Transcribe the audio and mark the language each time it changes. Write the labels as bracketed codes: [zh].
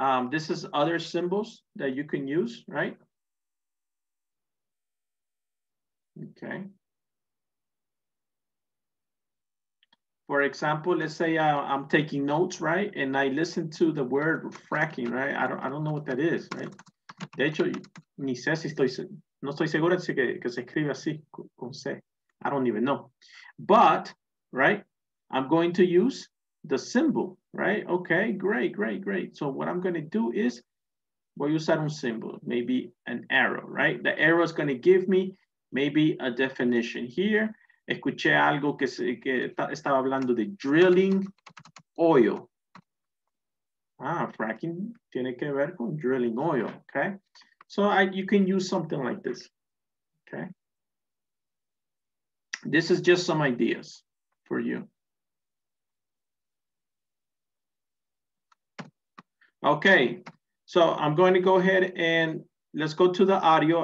[en] This is other symbols that you can use, right? Okay. For example, let's say I'm taking notes, right? And I listen to the word fracking, right? I don't know what that is, right? [es] De hecho, ni sé si estoy, no estoy segura si que se escribe así, con C. [en] I don't even know. But, right, I'm going to use the symbol, right? Okay, great, great, great. So what I'm going to do is, [es] voy a usar un [en] symbol, maybe an arrow, right? The arrow is going to give me maybe a definition here. [es] Escuché algo que estaba hablando de drilling oil. Ah, fracking tiene que ver con drilling oil, okay? [en] So you can use something like this, okay? This is just some ideas for you. Okay, so I'm going to go ahead and let's go to the audio.